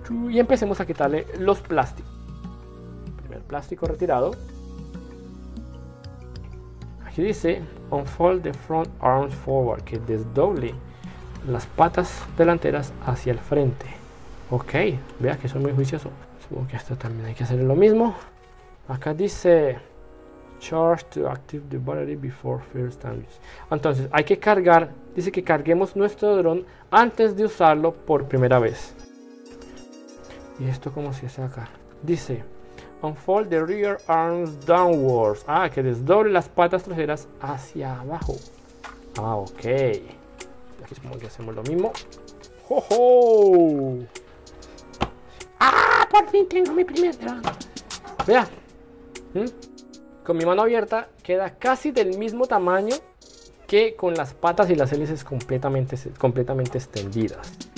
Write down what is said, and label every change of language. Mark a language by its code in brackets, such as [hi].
[es] Y empecemos a quitarle los plásticos. Primer plástico retirado. Aquí dice [en] unfold the front arms forward, [es] que desdoble las patas delanteras hacia el frente. Ok, vea que soy muy juicioso. Supongo que esto también hay que hacer lo mismo. Acá dice [en] charge to active the battery before first time use. [es] Entonces hay que cargar, dice que carguemos nuestro dron antes de usarlo por primera vez. ¿Y esto cómo se hace acá? [en] Dice unfold the rear arms downwards. [es] Ah, que desdoble las patas traseras hacia abajo. Ah, ok. Aquí supongo que hacemos lo mismo. ¡Ho, ho! ¡Ah! Por fin tengo mi primer dron. Vea. Con mi mano abierta queda casi del mismo tamaño que con las patas y las hélices completamente extendidas.